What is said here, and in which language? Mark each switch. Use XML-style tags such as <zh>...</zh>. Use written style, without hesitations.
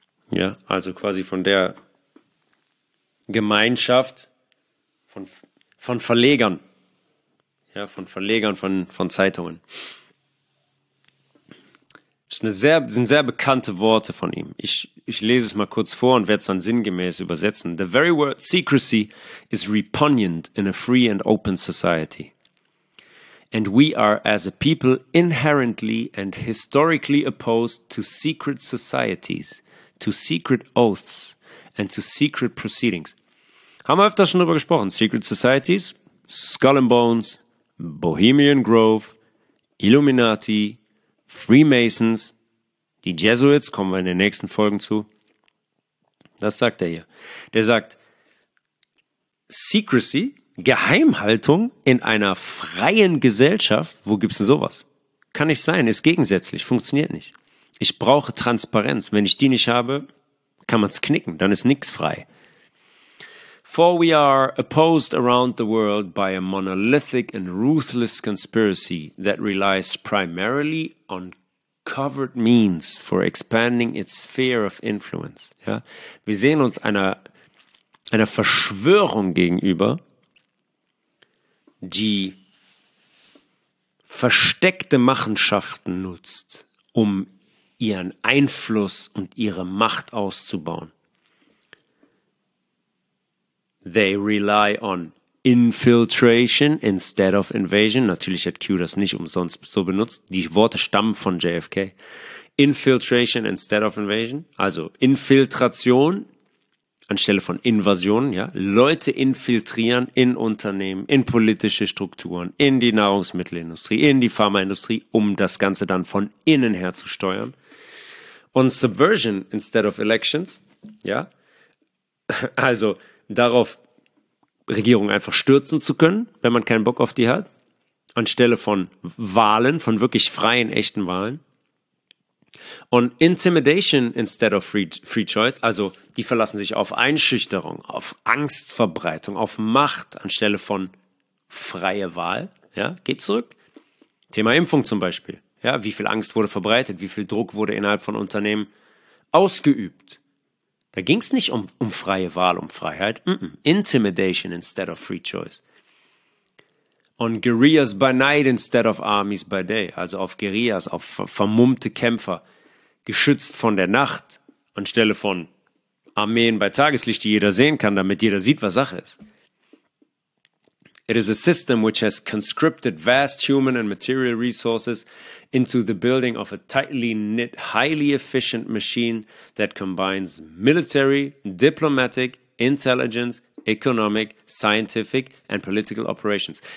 <de>Ja, also quasi von der Gemeinschaft von Verlegern. Ja, von Verlegern von Zeitungen. Das sind sehr bekannte Worte von ihm. Ich lese es mal kurz vor und werde es dann sinngemäß übersetzen.</de> <en>The very word secrecy is repugnant in a free and open society. And we are as a people inherently and historically opposed to secret societies, to secret oaths and to secret proceedings.</en> <de>Haben wir öfter schon drüber gesprochen. Secret societies, Skull and Bones, Bohemian Grove, Illuminati, Freemasons, die Jesuits, kommen wir in den nächsten Folgen zu. Das sagt er hier. Der sagt, Secrecy, Geheimhaltung in einer freien Gesellschaft, wo gibt's denn sowas? Kann nicht sein, ist gegensätzlich, funktioniert nicht. Ich brauche Transparenz. Wenn ich die nicht habe, kann man's knicken, dann ist nix frei.</de> <en>For we are opposed around the world by a monolithic and ruthless conspiracy that relies primarily on covert means for expanding its sphere of influence.</en> <de>Ja? Wir sehen uns einer Verschwörung gegenüber, die versteckte Machenschaften nutzt, um ihren Einfluss und ihre Macht auszubauen.</de> <en>They rely on infiltration instead of invasion.</en> <de>Natürlich hat Q das nicht umsonst so benutzt. Die Worte stammen von JFK.</de> <en>Infiltration instead of invasion.</en> <de>Also Infiltration anstelle von Invasion. Ja, Leute infiltrieren in Unternehmen, in politische Strukturen, in die Nahrungsmittelindustrie, in die Pharmaindustrie, um das Ganze dann von innen her zu steuern. Und</de> <en>subversion instead of elections.</en> <de>Ja, also darauf, Regierung einfach stürzen zu können, wenn man keinen Bock auf die hat, anstelle von Wahlen, von wirklich freien, echten Wahlen. Und</de> <en>Intimidation instead of free choice,</en> <de>also die verlassen sich auf Einschüchterung, auf Angstverbreitung, auf Macht, anstelle von freie Wahl. Ja, geht zurück. Thema Impfung zum Beispiel. Ja, wie viel Angst wurde verbreitet, wie viel Druck wurde innerhalb von Unternehmen ausgeübt. Da ging es nicht um freie Wahl, um Freiheit.</de> <en>Mm-mm. Intimidation instead of free choice. On guerrillas by night instead of armies by day.</en> <de>Also auf Guerillas, auf vermummte Kämpfer, geschützt von der Nacht, anstelle von Armeen bei Tageslicht, die jeder sehen kann, damit jeder sieht, was Sache ist.</de> <en>It is a system which has conscripted vast human and material resources into the building of a tightly knit, highly efficient machine that combines military, diplomatic, intelligence, economic, scientific and political operations.</en>